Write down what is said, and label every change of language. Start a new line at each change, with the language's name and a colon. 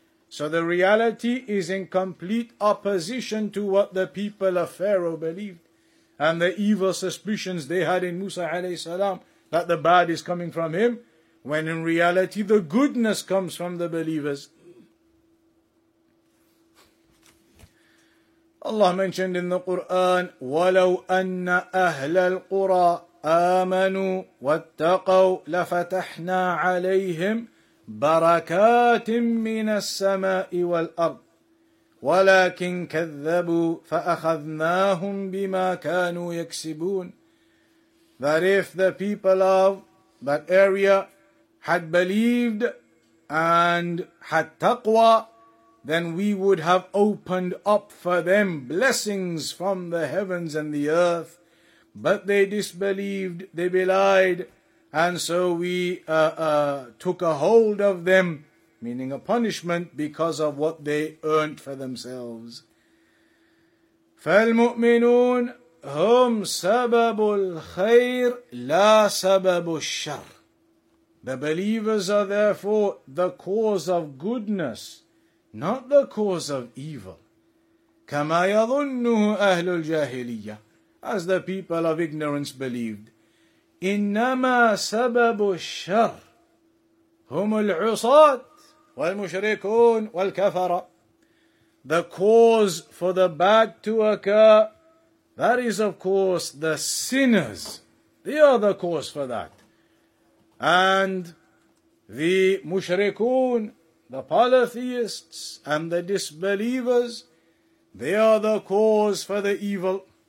English: So the reality is in complete opposition to what the people of Pharaoh believed and the evil suspicions they had in Musa alayhi salam, that the bad is coming from him, when in reality the goodness comes from the believers. Allah mentioned in the Quran,
Arabic: وَلَوْ أَنَّ أَهْلَ الْقُرَىٰ آمَنُوا وَاتَّقَوْا لَفَتَحْنَا عَلَيْهِمْ بركات من السماء والأرض ولكن كذبوا فأخذناهم بما كانوا يكسبون.
English: That if the people of that area had believed and had taqwa, then we would have opened up for them blessings from the heavens and the earth. But they disbelieved, they belied, and so we took a hold of them, meaning a punishment, because of what they earned for themselves.
Arabic: فالمؤمنون هم سبب الخير لا سبب الشر.
English: The believers are therefore the cause of goodness, not the cause of evil.
Arabic: كما يظنه أهل الجاهلية,
English: as the people of ignorance believed.
Arabic: إنما سبب الشر هم العصاة والمشركون والكفرة.
English: The cause for the bad to occur, that is of course the sinners. They are the cause for that. And the مشركون, the polytheists and the disbelievers, they are the cause for the evil.